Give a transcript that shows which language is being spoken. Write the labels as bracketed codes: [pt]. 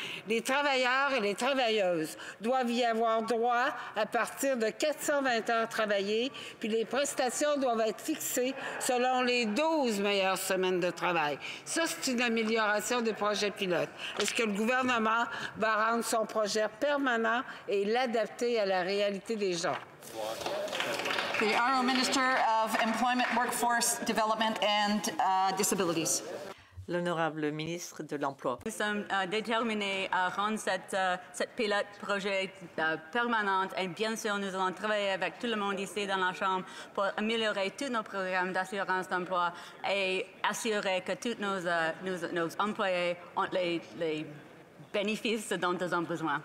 [fr] Les travailleurs et les travailleuses doivent y avoir droit à partir de 420 heures travaillées, puis les prestations doivent être fixées selon les 12 meilleures semaines de travail. Ça, c'est une amélioration du projet pilote. Est-ce que le gouvernement va rendre son projet permanent et l'adapter à la réalité des gens? [en] The Honourable Minister of Employment, Workforce Development and Disabilities. [fr] L'honorable ministre de l'Emploi. Nous sommes déterminés à rendre cette pilote projet permanente et bien sûr, nous allons travailler avec tout le monde ici dans la Chambre pour améliorer tous nos programmes d'assurance d'emploi et assurer que tous nos employés ont les bénéfices dont ils ont besoin.